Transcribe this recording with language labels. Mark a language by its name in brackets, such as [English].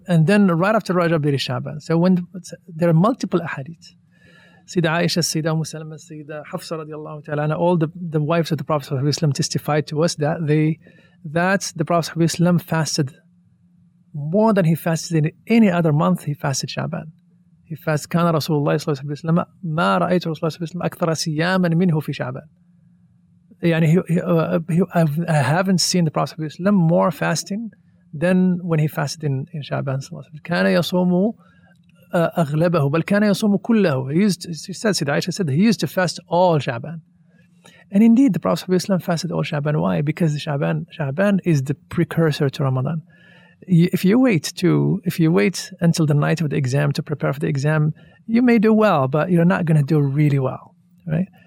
[English] And then right after Rajab, there is Sha'ban. So when there are multiple ahadith. Sayyidah Aisha, Sayyidah Umm Salama, Sayyidah Hafsa radiallahu ta'ala, and all the wives of the Prophet ﷺ testified to us that the Prophet ﷺ fasted more than he fasted in any other month. He fasted Sha'ban. He fasted, [Arabic] كان رسول الله صلى الله عليه وسلم ما رأيت رسول الله صلى الله عليه وسلم أكثر سياما منه في شعبان. يعني [English] I haven't seen the Prophet ﷺ more fasting than when he fasted in Sha'ban. [Arabic] كان يصوم أغلبه بل كان يصوم كله. [English] He used to fast all Sha'ban, and indeed the Prophet ﷺ fasted all Sha'ban. Why? Because Sha'ban is the precursor to Ramadan. If you wait until the night of the exam to prepare for the exam, you may do well, but you're not going to do really well, right?